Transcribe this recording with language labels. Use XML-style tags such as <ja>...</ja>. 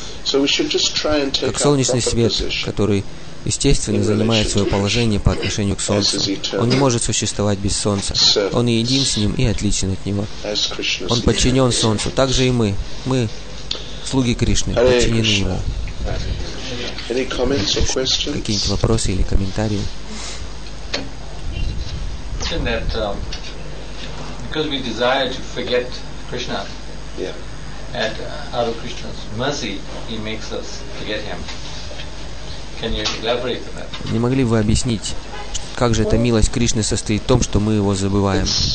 <en>So we should just try and take our proper position,</en> <ru>который естественно занимает свое положение по отношению к Солнцу. Он не может существовать без Солнца. Он и един с ним, и отличен от него. Он подчинен Солнцу. Так же и мы. Мы слуги Кришны, подчинены ему.</ru> <en>Any comments or questions?</en> <ru>Какие-нибудь вопросы или комментарии?</ru> <en>Because we desire to forget Krishna, and out of Krishna's mercy, he makes us forget him. Can you elaborate on that?</en> <ru>Не могли бы вы объяснить, как же эта милость Кришны состоит в том, что мы его забываем?</ru>